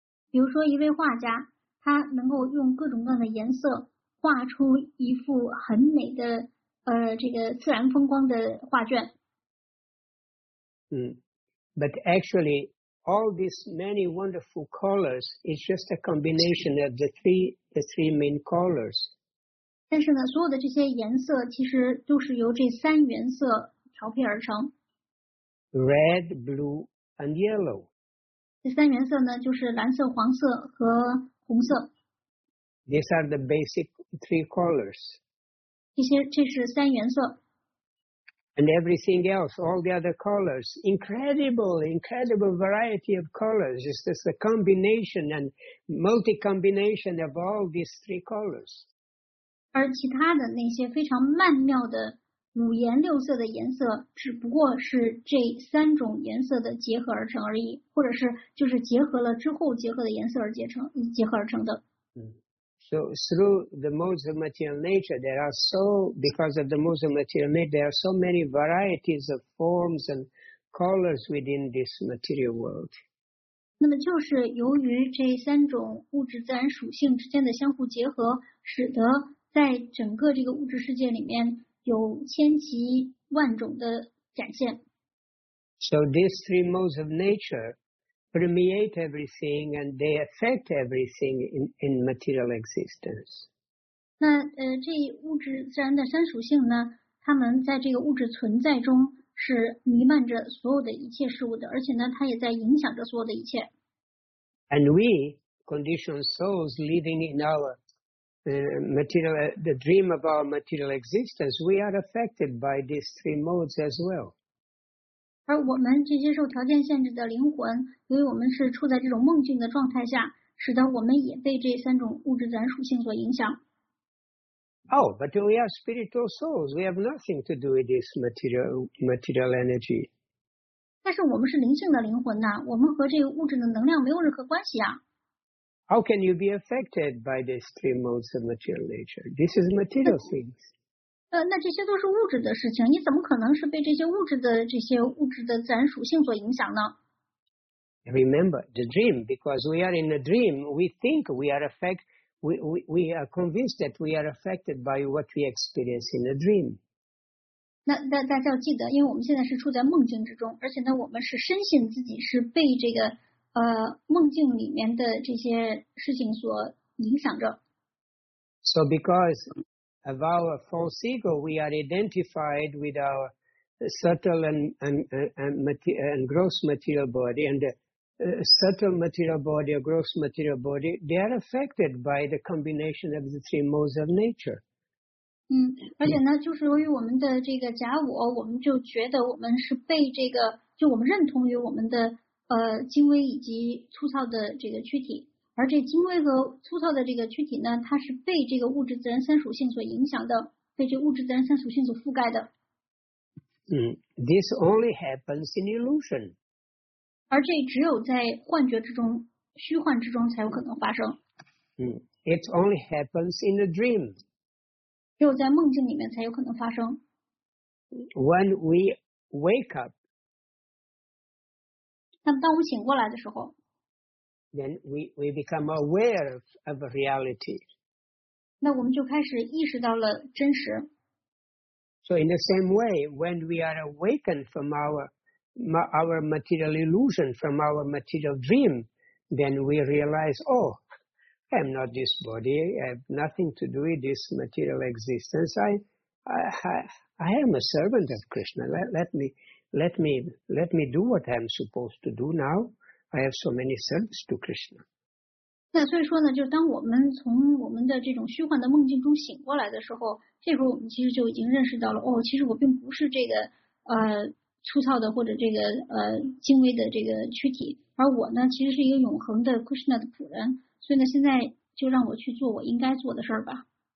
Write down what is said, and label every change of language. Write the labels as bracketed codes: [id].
[zh] 比如说一位画家，他能够用各种各样的颜色画出一幅很美的这个自然风光的画卷。 [en] But actually, all these many wonderful colors is just a combination of the three main colors. [zh] 但是呢，所有的这些颜色其实都是由这三原色调配而成。 [en] Red, blue, and yellow. [zh] 这三原色呢，就是蓝色、黄色和红色。 [en] These are the basic three colors. [zh] 这是三原色。 [en] And everything else, all the other colors, incredible, incredible variety of colors. It's just a combination and multi-combination of all these three colors. [zh] 而其他的那些非常曼妙的五颜六色的颜色，只不过是这三种颜色的结合而成而已，或者是就是结合了之后结合的颜色而结合而成的。 [en] So through the modes of material nature, there are so many varieties of forms and colors within this material world. [zh] 那么就是由于这三种物质自然属性之间的相互结合，使得在整个这个物质世界里面有千奇万种的展现。 [en] So these three modes of nature permeate everything and they affect everything in material existence. [zh] 那这物质自然的三属性呢，它们在这个物质存在中是弥漫着所有的一切事物的，而且呢，它也在影响着所有的一切。 [en] And we, conditioned souls living in our material, the dream of our material existence, we are affected by these three modes as well. [zh] 而我们这些受条件限制的灵魂，由于我们是处在这种梦境的状态下，使得我们也被这三种物质自然属性所影响。 [en] Oh, but we are spiritual souls. We have nothing to do with this material energy. [zh] 但是我们是灵性的灵魂呐，我们和这个物质的能量没有任何关系啊。 [en] How can you be affected by these three modes of material nature? This is material things. [zh] 那这些都是物质的事情，你怎么可能是被这些物质的自然属性所影响呢？ [en] Remember the dream, because we are in a dream, we think we are affected, we are convinced that we are affected by what we experience in a dream. [zh] 那大家要记得，因为我们现在是处在梦境之中，而且呢，我们是深信自己是被这个梦境里面的这些事情所影响着。 [en] So because of our false ego, we are identified with our subtle and gross material body, and the subtle material body or gross material body, they are affected by the combination of the three modes of nature. [zh] 而且呢，就是由于我们的这个假我，我们就觉得我们是被这个，就我们认同于我们的精微以及粗糙的这个躯体。而这精微和粗糙的这个躯体呢，它是被这个物质自然三属性所影响的，被这物质自然三属性所覆盖的。 [en] This only happens in illusion. [zh] 而这只有在幻觉之中，虚幻之中才有可能发生。 [en] It only happens in a dream. [zh] 只有在梦境里面才有可能发生。 [en] When we wake up, [zh] 那么当我们醒过来的时候， [en] then we become aware of a reality. [zh] 那我们就开始意识到了真实。 [en] So in the same way, when we are awakened from our material illusion, from our material dream, then we realize, oh, I am not this body. I have nothing to do with this material existence. I am a servant of Krishna. Let me do what I am supposed to do now. I have so many service to Krishna. [zh] 那所以说呢，就是当我们从我们的这种虚幻的梦境中醒过来的时候，这时候我们其实就已经认识到了，哦，其实我并不是这个粗糙的或者这个精微的这个躯体，而我呢其实是一个永恒的 Krishna 的仆人，所以呢现在就让我去做我应该做的事儿吧。